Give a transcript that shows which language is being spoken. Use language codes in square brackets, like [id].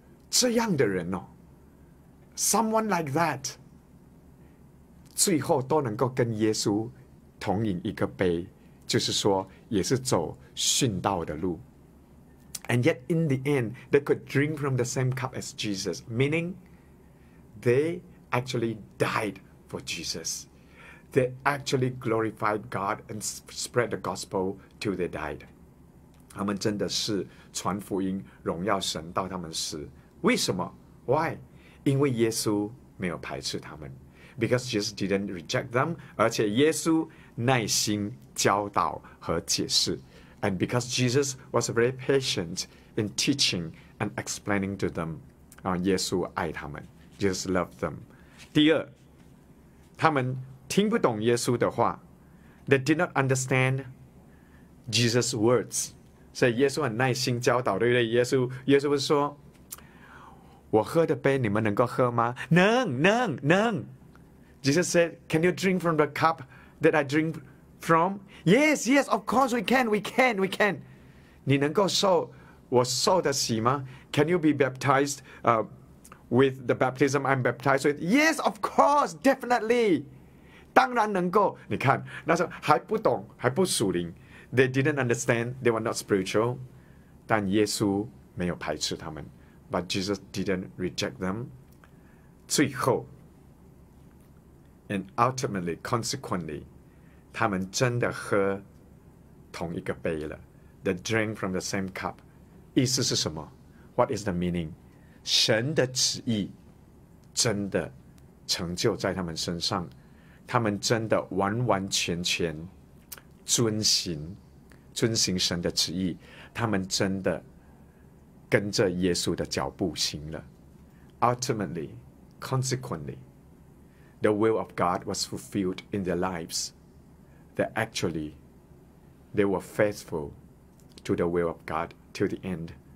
[zh] 这样的人哦， [en] someone like that, [zh] 最后都能够跟耶稣同饮一个杯，就是说也是走殉道的路。 [en] And yet in the end they could drink from the same cup as Jesus, meaning they actually died for Jesus. they actually glorified God and spread the gospel till they died. [zh] 他们真的是传福音荣耀神到他们死。为什么？ [en] Why? [zh] 因为耶稣没有排斥他们。 [en] Because Jesus didn't reject them, [zh] 而且耶稣耐心教导和解释。 [en] And because Jesus was very patient in teaching and explaining to them, [zh] 耶稣爱他们。 [en] Jesus loved them. [zh] 第二，他们听不懂耶稣的话。 [en] They did not understand Jesus' words. [zh] 所以耶稣很耐心教导，对不对？耶稣不是说，我喝的杯你们能够喝吗？能。 [en] Jesus said, can you drink from the cup that I drink from? Yes, of course we can. [zh] 你能够受我受的洗吗？ [en] Can you be baptized with the baptism I'm baptized with? Yes, of course, definitely. [zh] 当然能够。你看，那时候还不懂，还不属灵。 [en] They didn't understand, they were not spiritual. [zh] 但耶稣没有排斥他们。 [en] But Jesus didn't reject them. [zh] 最后 [en] And ultimately, consequently, [zh] 他们真的喝同一个杯了。 [en] They drank from the same cup. [zh] 意思是什么？ [en] What is the meaning? [zh] 神的旨意真的成就在他们身上。他们真的完完全全遵行神的旨意。他们真的跟着耶稣的脚步行了。 [en] Ultimately, consequently,The will of God was fulfilled in their lives. That actually, they were faithful to the will of God till the end.